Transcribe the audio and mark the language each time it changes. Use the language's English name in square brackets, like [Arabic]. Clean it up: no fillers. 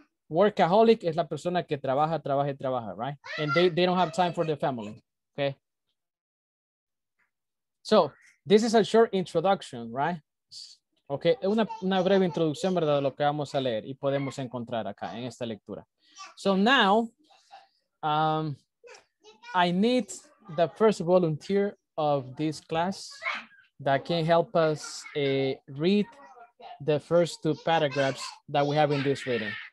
[Spanish] Workaholic es la persona que trabaja, trabaja y trabaja, right? [English] And they don't have time for their family, okay? So, this is a short introduction, right? Okay, [Spanish] una breve introducción, ¿verdad? De lo que vamos a leer y podemos encontrar acá en esta lectura. [English] So now, I need the first volunteer of this class that can help us read the first two paragraphs that we have in this reading.